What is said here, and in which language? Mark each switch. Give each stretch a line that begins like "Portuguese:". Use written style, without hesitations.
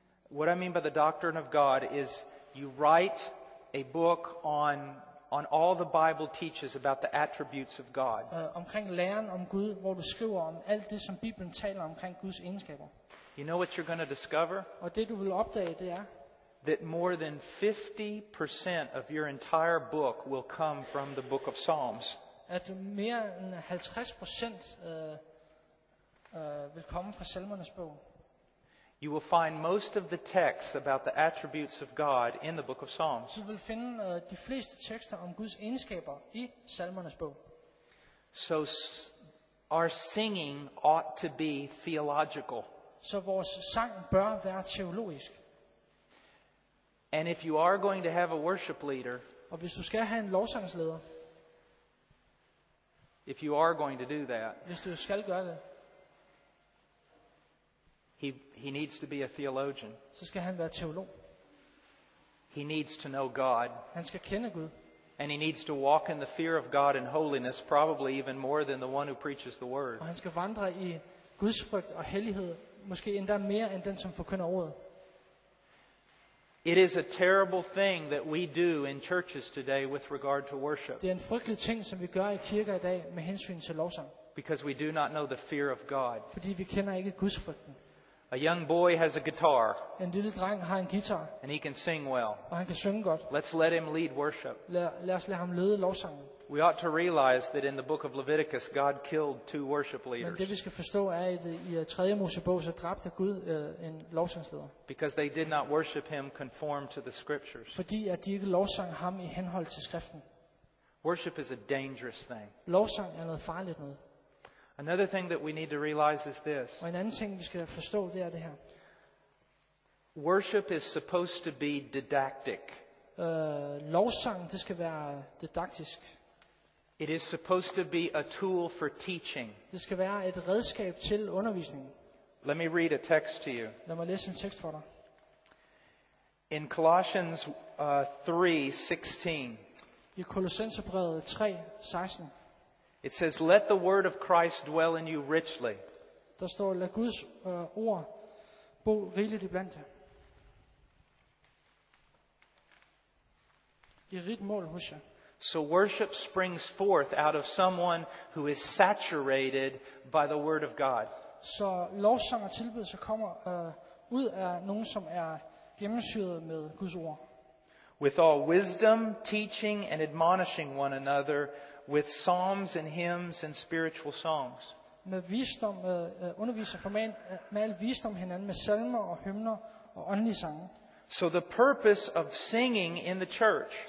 English: What I mean by the doctrine of God is you write a book on all the Bible teaches about the attributes of God.
Danish: Omkring læren om Gud, hvor du skriver om alt det som Bibelen taler omkring Guds egenskaber.
English: You know what you're going to discover?
Danish: Og det du vil opdage, det er
English: that more than 50% of your entire book will come from the book of Psalms.
Danish: At mere end 50% vil komme fra Salmernes bog.
English: You will find most of the texts about the attributes of God in the book of Psalms.
Danish: Du vil finde de fleste tekster om Guds egenskaber i Salmernes bog.
English: So our singing ought to be theological.
Danish: Så vores sang bør være teologisk.
English: And if you are going to have a worship leader,
Danish: og hvis du skal have en lovsangsleder,
English: if you are going to do that,
Danish: hvis du skal gøre det,
English: he needs to be a theologian.
Danish: Så skal han være teolog.
English: He needs to know God.
Danish: Han skal kende Gud.
English: And he needs to walk in the fear of God and holiness, probably even more than the one who preaches the word.
Danish: Og han skal vandre i Guds frygt og hellighed, måske endda mere end den som forkynder ordet.
English: It is a terrible thing that we do in churches today with regard to worship.
Danish: Det er en frygtelig ting som vi gør i kirker i dag med hensyn til lovsang.
English: Because we do not know the fear of God.
Danish: Fordi vi kender ikke Guds frygten.
English: A young boy has a guitar.
Danish: En lille dreng har en guitar.
English: And he can sing well.
Danish: Og han kan synge godt.
English: Let's let him lead worship.
Danish: Lad os lade ham lede lovsangen.
English: We ought to realize that in the book of Leviticus God killed two worship leaders.
Danish: Men det vi skal forstå er at i 3. Mosebog så dræbte Gud en lovsangsleder.
English: Because they did not worship him conform to the scriptures.
Danish: Fordi at de ikke lovsang ham i henhold til skriften.
English: Worship is a dangerous thing.
Danish: Lovsang er noget farligt noget.
English: Another thing that we need to realize is this.
Danish: Og en anden ting vi skal forstå, det er det her.
English: Worship is supposed to be didactic.
Danish: Lovsang, det skal være didaktisk.
English: It is supposed to be a tool for teaching.
Danish: Det skal være et redskab til undervisning.
English: Let me read a text to you.
Danish: Lad mig læse en tekst for dig.
English: In Colossians 3:16.
Danish: I Kolossenserbrevet 3:16.
English: It says, "Let the word of Christ dwell in you richly."
Danish: Der står, lad Guds ord bo rigeligt iblandt jer. I rigt mål hos jer.
English: So worship springs forth out of someone who is saturated by the word of God.
Danish: Så lovsang og tilbedelse kommer ud af nogen som er gennemsyret med Guds ord.
English: With all wisdom, teaching and admonishing one another with psalms and hymns and spiritual songs.
Danish: Med visdom underviser formand med al visdom hinanden med salmer og hymner og åndelige sange.
English: So the purpose of singing in the church.